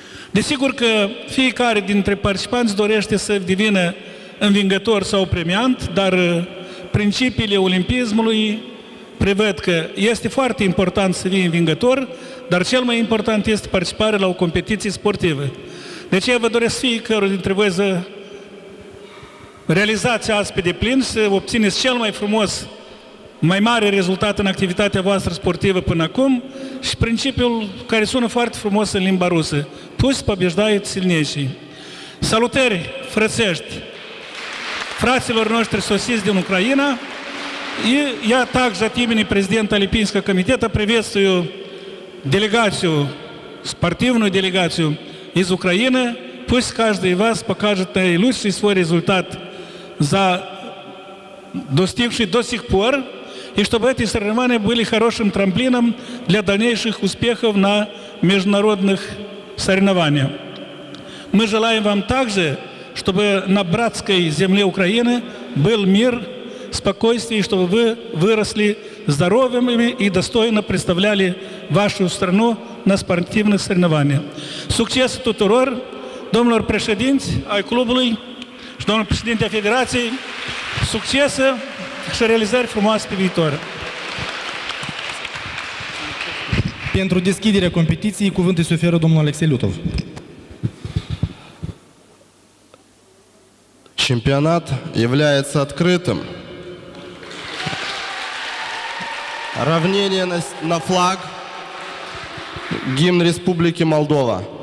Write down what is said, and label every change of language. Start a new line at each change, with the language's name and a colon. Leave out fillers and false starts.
Romanian: Desigur că fiecare dintre participanți dorește să devină învingător sau premiant, dar principiile olimpismului prevăd că este foarte important să fii învingător, dar cel mai important este participarea la o competiție sportivă. De aceea vă doresc fiecare dintre voi să realizați azi pe deplin, să obțineți cel mai frumos, mai mare rezultat în activitatea voastră sportivă până acum și principiul care sună foarte frumos în limba rusă.
Russian: Пусть побеждают сильнейшие.
Romanian: Салутери, фрацешти, фрацилор ноштри сосис дин Украина.
Russian: И я также от имени президента Олимпийского комитета приветствую делегацию, спортивную делегацию из Украины, пусть каждый из вас покажет наилучший свой результат за достигший до сих пор, и чтобы эти соревнования были хорошим трамплином для дальнейших успехов на международных соревнованиях. Мы желаем вам также, чтобы на братской земле Украины был мир, спокойствие, и чтобы вы выросли здоровыми и достойно представляли вашу страну на спортивных соревнованиях.
Romanian: Succes tuturor, domnilor președinți ai clubului, și domnul președинte al federației, succes și realizări frumoase pe viitor. Pentru deschiderea competiției, cuvântul se oferă domnul Alexei Lutov.
Russian: Чемпионат является открытым. Равнение на флаг, гимн Республики Молдова.